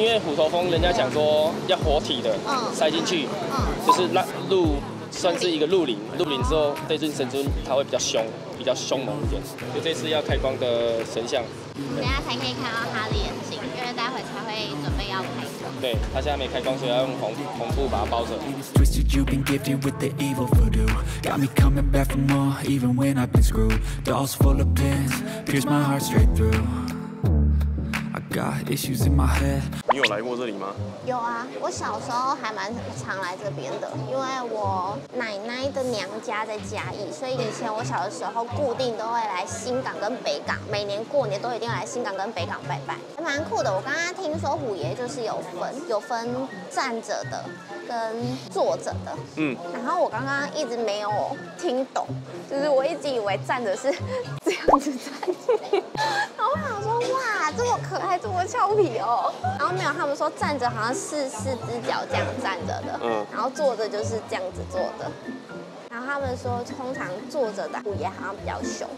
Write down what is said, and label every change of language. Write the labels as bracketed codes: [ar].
[zh] 因为虎头蜂人家讲说要活体的，塞进去，就是让鹿算是一个鹿灵，鹿灵之后这尊神尊它会比较凶，比较凶猛一点。就这次要开光的神像，等一下才可以看到它的眼睛，因为待会才会准备要开。对，他现在没开光，所以要用 红布把它包着。 [en] Twisted, you've been gifted with the evil voodoo. Got me coming back for more, even when I've been screwed. Dolls full of pins, pierce my heart straight through. I got issues in my head. [zh] 你有来过这里吗？有啊，我小时候还蛮常来这边的，因为我奶奶的娘家在嘉义，所以以前我小的时候固定都会来新港跟北港，每年过年都一定要来新港跟北港拜拜。蛮酷的，我刚刚听说虎爷就是有分站着的跟坐着的，然后我刚刚一直没有听懂，就是我一直以为站着是这样子站，然后我想说哇，这么可爱，这么俏皮哦，然后没有，他们说站着好像是四只脚这样站着的，然后坐着就是这样子坐的，然后他们说通常坐着的虎爷好像比较凶，